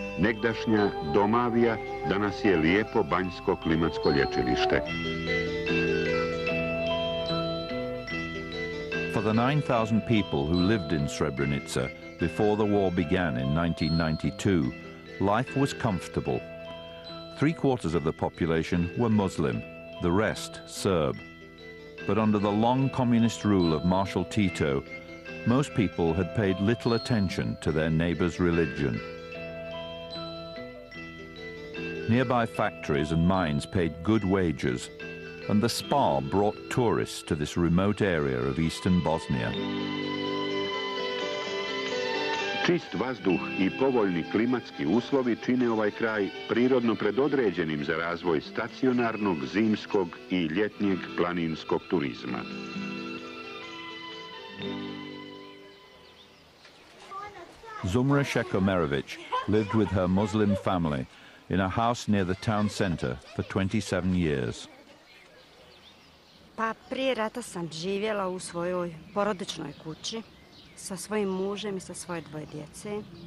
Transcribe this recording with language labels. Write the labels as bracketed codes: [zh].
[bs] Negdašnja Domavija danas je lijepo banjsko klimatsko lječilište. [en] For the 9,000 people who lived in Srebrenica before the war began in 1992, life was comfortable. Three quarters of the population were Muslim, the rest Serb. But under the long communist rule of Marshal Tito, most people had paid little attention to their neighbor's religion. Nearby factories and mines paid good wages, and the spa brought tourists to this remote area of eastern Bosnia. [bs] Čist vazduh i povoljni klimatski uslovi čine ovaj kraj prirodno predodređenim za razvoj stacionarnog, zimskog i ljetnjeg planinskog turizma. [en] Zumra Šekomerović lived with her Muslim family in a house near the town center for 27 years. [bs] Pa prije rata sam živjela u svojoj porodičnoj kući sa svojim mužem i sa svoje dvoje djece.